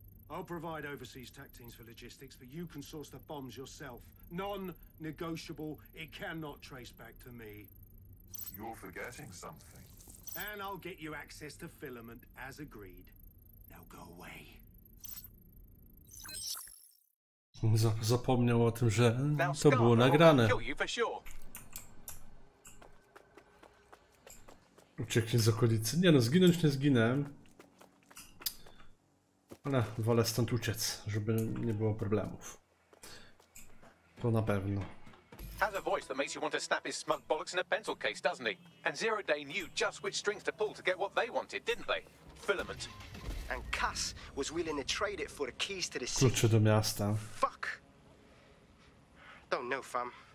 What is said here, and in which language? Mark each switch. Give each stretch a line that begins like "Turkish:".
English: I'll provide overseas tech teams for logistics, but you can source the bombs yourself. Non-negotiable. It cannot trace back to me. You're forgetting something. And I'll get you access to filament, as agreed. Now go away.
Polish: Zapomniał o tym, że to było nagrane. Ucieknie z okolicy. Nie no, zginąć nie zginę. Ale wolę stąd uciec, żeby nie było problemów. To na pewno.
English: Has a voice that makes you want to snap his smug bollocks in a pencil case, doesn't he? And Zero Day knew just which strings to pull to get what they wanted, didn't they? Filament. And Cass was willing to trade it for the keys to the city.
Polish: Klucze do miasta.
English: Fuck. Don't know, fam.